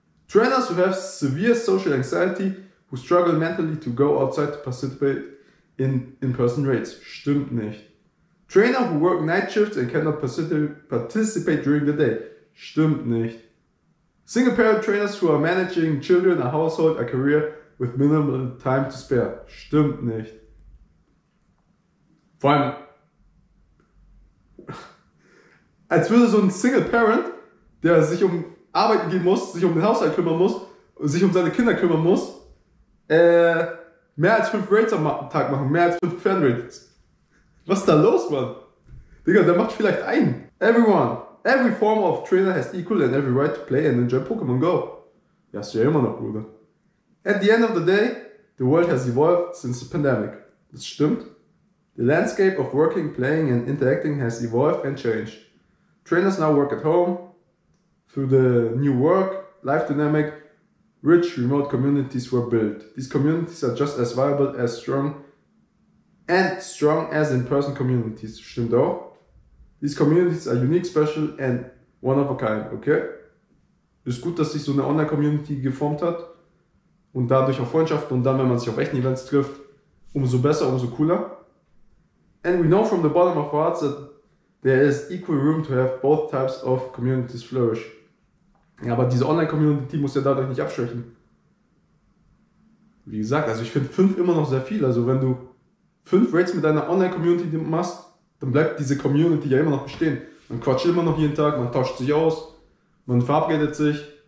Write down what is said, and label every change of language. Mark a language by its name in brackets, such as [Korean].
[English] Trainers who have severe social anxiety who struggle mentally to go outside to participate in in-person raids. [German] Stimmt nicht. [English] Trainer who work night shifts and cannot participate during the day. [German] Stimmt nicht. [English] Single parent trainers who are managing children, a household, a career with minimal time to spare. [German] Stimmt nicht. Vor allem, als würde so ein Single Parent, der sich um Arbeiten gehen muss, sich um den Haushalt kümmern muss, sich um seine Kinder kümmern muss, mehr als 5 Raids am Tag machen, mehr als 5 Fan Raids. Was ist da los, Mann? Digga, der macht vielleicht einen. [English] Everyone, every form of trainer has equal and every right to play and enjoy Pokémon Go. [German] Ja, ist ja immer noch, Bruder. [English] At the end of the day, the world has evolved since the pandemic. [German] Das stimmt. [English] The landscape of working, playing and interacting has evolved and changed. Trainers now work at home. Through the new work, life dynamic, rich remote communities were built. These communities are just as viable as strong and strong as in-person communities. [German] Stimmt auch. [English] These communities are unique, special and one of a kind. Okay? [German] Ist gut, dass sich so eine Online-Community geformt hat. Und dadurch auch Freundschaften und dann, wenn man sich auf echten Events trifft, umso besser, umso cooler. [English] And we know from the bottom of our hearts that there is equal room to have both types of communities flourish. [German] Ja, aber diese Online-Community muss ja dadurch nicht abschwächen. Wie gesagt, also ich finde 5 immer noch sehr viel. Also wenn du 5 Raids mit deiner Online-Community machst, dann bleibt diese Community ja immer noch bestehen. Man quatscht immer noch jeden Tag, man tauscht sich aus, man verabredet sich.